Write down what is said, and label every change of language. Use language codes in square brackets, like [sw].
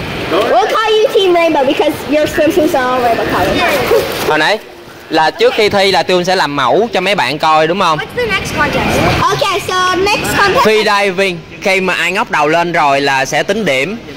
[en] We'll call you Team Rainbow because your swimsuits are all rainbow colors. [vi] Hồi nãy là trước khi thi là tôi sẽ làm mẫu cho mấy bạn coi đúng không? [en] What's the next contest? Okay, so next contest. Free diving. [vi] Khi mà ai ngóc đầu lên rồi là sẽ tính điểm.